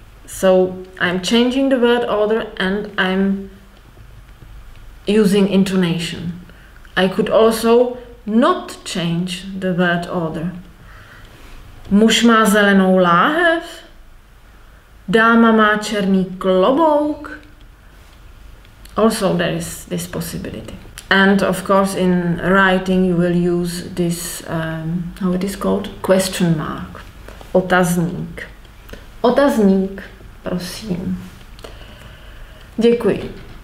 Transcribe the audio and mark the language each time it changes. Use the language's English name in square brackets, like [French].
[English] So I'm changing the word order and I'm using intonation. I could also not change the word order. [Czech] Muž má zelenou láhev, dáma má černý klobouk. [English] Also there is this possibility. And of course in writing you will use this, how it is called? Question mark. [Czech] Otazník. Otazník, prosím. Děkuji.